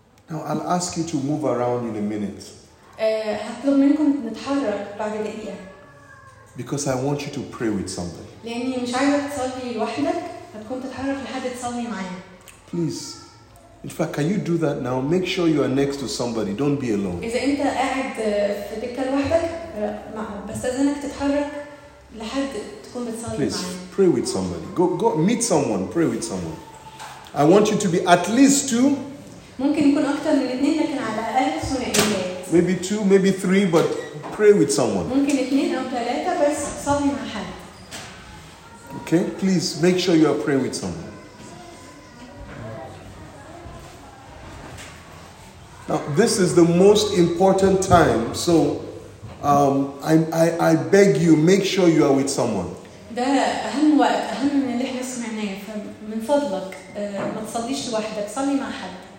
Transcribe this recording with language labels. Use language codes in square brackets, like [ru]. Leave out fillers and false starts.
[en] Now I'll ask you to move around in a minute. [ar] هطلب منكم نتحرك بعد دقيقة. [en] Because I want you to pray with somebody. [ar] لأني مش عايزك تصلي لوحدك، هتكون تتحرك لحد تصلي معايا. [en] Please. In fact, can you do that now? Make sure you are next to somebody. Don't be alone. [ar] إذا أنت قاعد في دكة لوحدك، بستأذنك تتحرك لحد تكون بتصلي معايا. [en] Please pray with somebody. Go meet someone. Pray with someone. I want you to be at least two. [ar] ممكن يكون أكثر من اثنين لكن على الأقل ثنائيات. [en] Maybe two, maybe three, but pray with someone. [ar] ممكن اثنين أو ثلاثة بس صلي مع حد. [en] Okay, please make sure you are praying with someone. Now, this is the most important time, so I beg you, make sure you are with someone. [ar] ده أهم وقت، أهم من اللي احنا سمعناه، فمن فضلك ما تصليش لوحدك، صلي مع حد.